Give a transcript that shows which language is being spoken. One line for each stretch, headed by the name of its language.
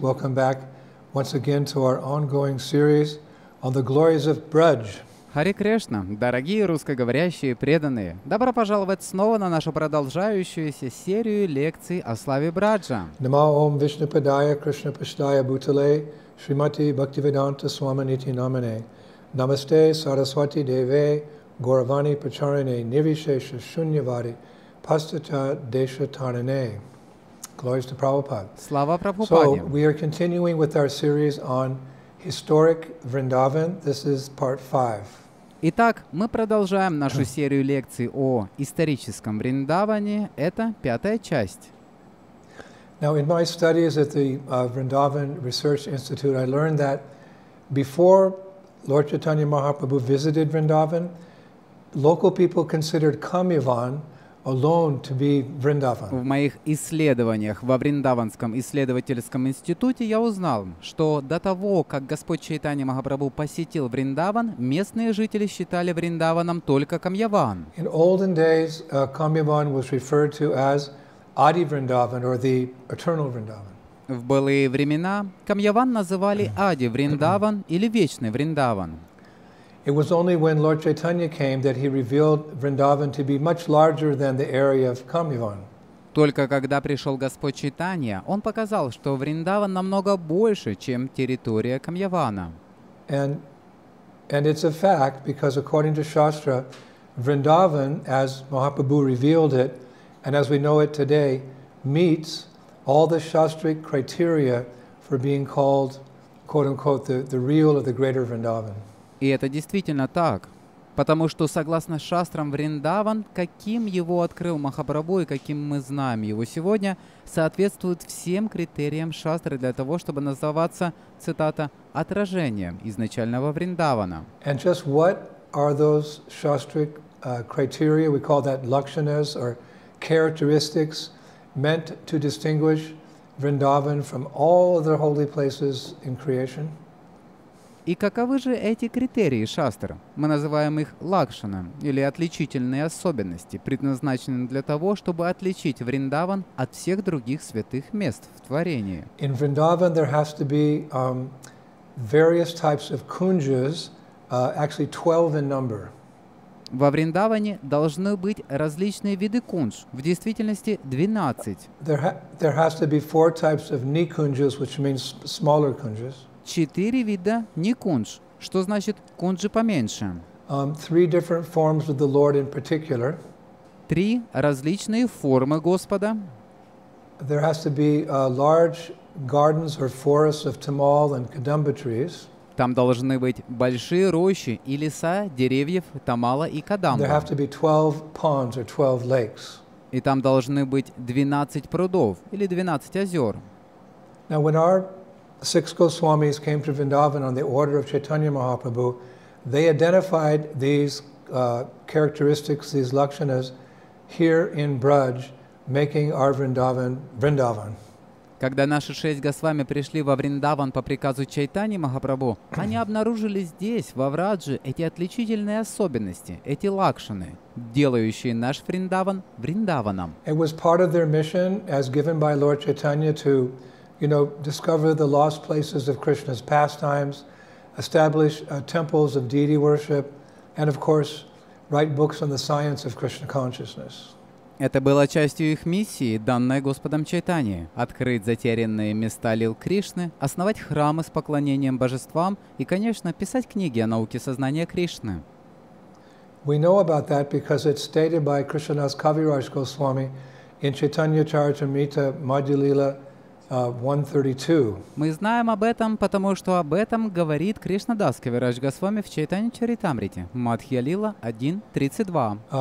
English: Welcome back once again to our ongoing series on the glories of Braj.
Russian: Hare Krishna, дорогие русскоговорящие преданные. Добро пожаловать снова на нашу продолжающуюся серию лекций о славе Браджа.
Sanskrit: Нама Ом Вишну Падая Кришна Пуштая Бутале Шримати Бхактивиданта Свамините Намане. Намасте Сарасвати Деве Гуравани Пачарине Нивишеша Шуньявари Пастача Деша Таране.
English: Glories to Prabhupada.
Russian: Слава Прабхупаде.
English: So we are continuing with our series on historic Vrindavan. This is part 5.
Russian: Итак, мы продолжаем нашу серию лекций о историческом Вриндаване. Это пятая часть.
English: Now in my studies at the Vrindavan Research Institute, I learned that before Lord Chaitanya Mahaprabhu visited Vrindavan, local people considered Kamyavan alone to be Vrindavan.
Russian: В моих исследованиях во Вриндаванском исследовательском институте я узнал, что до того, как Господь Чайтанья Махапрабху посетил Вриндаван, местные жители считали Вриндаваном только Камьяван.
English: In olden days, Камьяван was referred to as Adi Vrindavan or the Eternal Vrindavan.
Russian: В былые времена Камьяван называли Ади Вриндаван или Вечный Вриндаван.
English: It was only when Lord Chaitanya came that he revealed Vrindavan to be much larger than the area of Kamyavan.
Russian: Только когда пришел Господь Чайтанья, он показал, что Вриндаван намного больше, чем территория Камьявана.
English: And it's a fact because according to Shastra, Vrindavan, as Mahaprabhu revealed it, and as we know it today, meets all the Shastric criteria for being called, quote unquote, the real or the greater Vrindavan.
Russian: И это действительно так, потому что, согласно шастрам, Вриндаван, каким его открыл Махапрабху и каким мы знаем его сегодня, соответствует всем критериям шастры для того, чтобы называться, цитата, «отражением изначального Вриндавана».
English: And just what are those shastric criteria, we call that lakshanas or characteristics, meant to distinguish Vrindavan from all other holy places in creation?
Russian: И каковы же эти критерии шастр? Мы называем их лакшана, или отличительные особенности, предназначенные для того, чтобы отличить Вриндаван от всех других святых мест в творении.
English: In Vrindavan there has to be various types of kunjas, actually 12 in number.
Russian: Во Вриндаване должны быть различные виды кунж, в действительности 12.
English: There has to be four types of nikunjas, which means smaller kunjas.
Russian: Четыре вида никунж, что значит кунджи поменьше.
English: Three different forms of the Lord in particular.
Russian: Три различные формы Господа.
English: There has to be large gardens or forests of tamal and kadamba trees.
Russian: Там должны быть большие рощи и леса деревьев тамала и кадамба.
English: There have to be 12 ponds or 12 lakes.
Russian: И там должны быть 12 прудов или 12 озер.
English: Now when our Six Goswamis came to Vrindavan on the order of Chaitanya Mahaprabhu. They identified these characteristics, these lakshanas, here in Braj, making our Vrindavan Vrindavan.
Russian: Когда наши шесть Госвами пришли во Вриндаван по приказу Чайтаньи Махапрабху, они обнаружили здесь, во Врадже, эти отличительные особенности, эти лакшаны, делающие наш Вриндаван Вриндаваном.
English: It was part of their mission, as given by Lord Chaitanya, to discover the lost places of Krishna's pastimes, establish temples of deity worship, and of course, write books on the science of Krishna consciousness.
Russian: Это было частью их миссии, данной Господом Чайтанье, открыть затерянные места лил Кришны, основать храмы с поклонением божествам и, конечно, писать книги о науке сознания Кришны.
English: We know about that because it's stated by Krishnadas Kaviraj Goswami in Chaitanya Charitamrita Madhyalila 132.
Russian: Мы знаем об этом, потому что об этом говорит Кришнадас Кавирадж Госвами в Чайтанья Чаритамрите, Мадхьялила 1.32.